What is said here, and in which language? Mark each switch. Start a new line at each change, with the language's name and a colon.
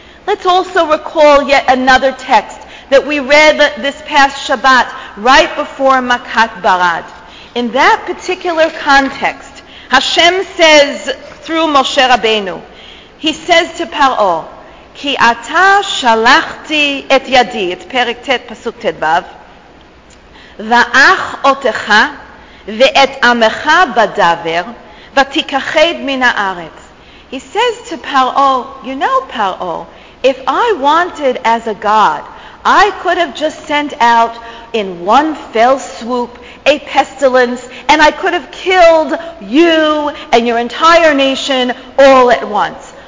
English: Let's also recall yet another text that we read this past Shabbat, right before Makat Barad. In that particular context, Hashem says through Moshe Rabbeinu, he says to Paro,
Hebrew: Ki ata shalachti et yadi,
English: it's Perek Tet, Pasuk Tet Vav,
Hebrew: ואח אותך ואת עמך בדבר ותיכחד מן הארץ.
English: He says to Paro, you know, Paro, if I wanted as a god, I could have just sent out in one fell swoop a pestilence, and I could have killed you and your entire nation all at once.